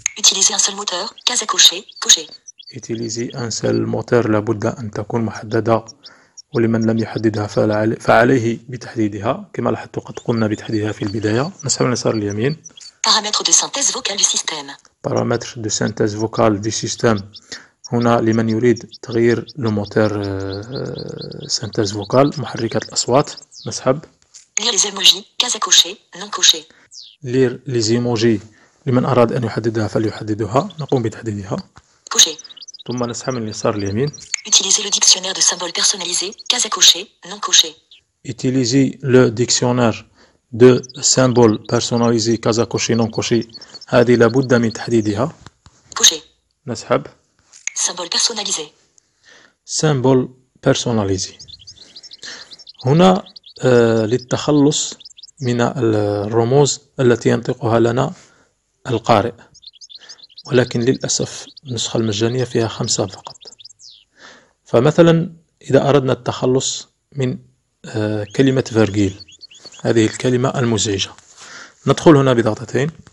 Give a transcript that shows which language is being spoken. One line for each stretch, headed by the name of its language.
French: Utiliser un seul moteur, case à cocher, cocher. Utiliser un seul moteur,
Arabic: لابد أن تكون محددة. ولمن لم يحددها فعليه بتحديدها. كما لاحظت قد قمنا بتحديدها في البداية. نسحب من اليسار اليمين.
French: Paramètres de synthèse vocale du système. Paramètres de synthèse vocale du système.
Arabic: هنا لمن يريد تغيير
French: لو موتور سينتيز فوكال
Arabic: محركات الأصوات. نسحب.
French: Lire les emojis, case à cocher, non cocher. Lire les emojis.
Arabic: لمن أراد أن يحددها فليحددها. نقوم بتحديدها.
French: Cocher.
Arabic: ثم نسحب من اليسار اليمين.
French: Utiliser le dictionnaire de symboles personnalisé, case à cocher, non cocher. Utiliser le dictionnaire de symboles personnalisés, case à cocher, non cocher.
Arabic: هذه لابد من تحديدها.
French: Cocher.
Arabic: نسحب.
French: Symboles personnalisés. Symboles personnalisés.
Arabic: هنا للتخلص من الرموز التي ينطقها لنا القارئ، ولكن للأسف النسخة المجانية فيها 5 فقط. فمثلا إذا أردنا التخلص من كلمة فيرجيل، هذه الكلمة المزعجة، ندخل هنا بضغطتين.